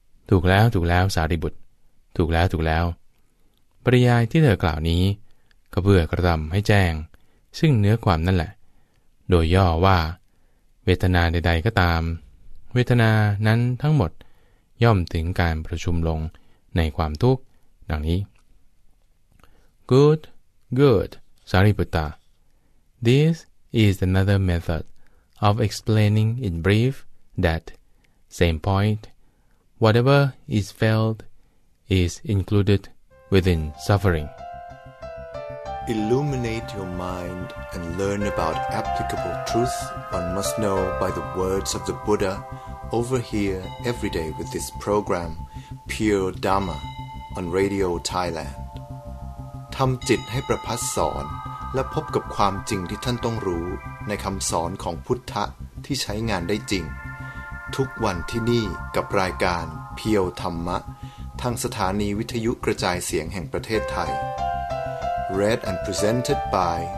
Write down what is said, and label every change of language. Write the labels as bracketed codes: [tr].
[th] ถูกแล้วถูกแล้วสารีบุตรถูกแล้วถูกแล้วปริยายที่เธอกล่าวนี้ก็เพื่อกระทำให้แจ้งซึ่งเนื้อความนั่นแหละโดยย่อว่าเวทนาใดๆก็ตามเวทนานั้นทั้งหมดย่อมถึงการประชุมลงในความทุกข์ดังนี้ [en] Good, good, Sariputta. This is another method of explaining in brief that same point, whatever is felt is included within suffering. Illuminate your mind and learn about applicable truth one must know by the words of the Buddha. Over here every day with this program Pure Dharma on Radio Thailand [th] ทำจิตให้ประพัสสอนและพบกับความจริงที่ท่านต้องรู้ในคำสอนของพุทธะที่ใช้งานได้จริงทุกวันที่นี่กับรายการ Pure Dharma ทางสถานีวิทยุกระจายเสียงแห่งประเทศไทย [en] Read and presented by